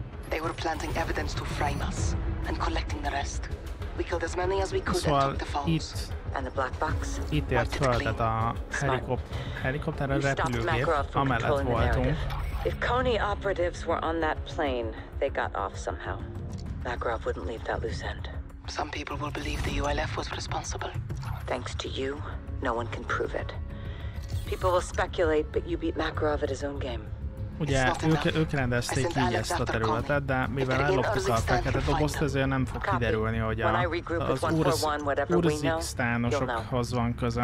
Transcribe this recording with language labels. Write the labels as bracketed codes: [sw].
[en] They were planting evidence to frame us and collecting the rest. We killed as many as we could [hu] szóval [en] and took the phones. [hu] Itt, [en] and the black box. [hu] Itt ért földet a helikopter a repülőgép, amellett voltunk. [en] If Kony operatives were on that plane, they got off somehow. Makarov wouldn't leave that loose end. Some people will believe the ULF was responsible. Thanks to you, no one can prove it. People will speculate, but you beat Makarov at his own game. [hu] Ugye, ők rendezték így ezt a területet, de mivel elloptuk a fekete dobozt, ezért nem fog kiderülni, hogy az urzikstánosokhoz van közöm.